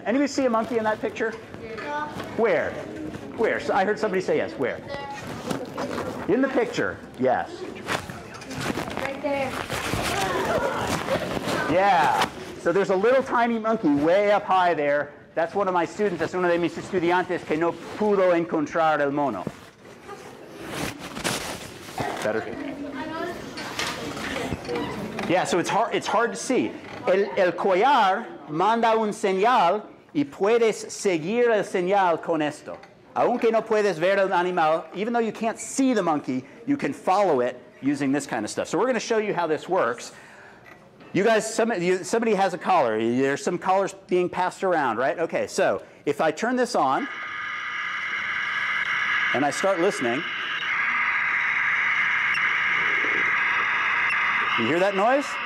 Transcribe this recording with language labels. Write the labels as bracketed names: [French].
[English] Anybody see a monkey in that picture? Yeah. Where? Where? So I heard somebody say yes. Where? There. In the picture, yes. There. Yeah. So there's a little tiny monkey way up high there. That's one of my students. [Spanish] Es uno de mis estudiantes que no pudo encontrar el mono. [English] Better. Yeah. So it's hard to see. [Spanish] El collar manda un señal y puedes seguir el señal con esto. Aunque no puedes ver el animal, [English] even though you can't see the monkey, you can follow it using this kind of stuff. So we're going to show you how this works. You guys, somebody has a collar. There's some collars being passed around, right? Okay, so if I turn this on and I start listening, you hear that noise?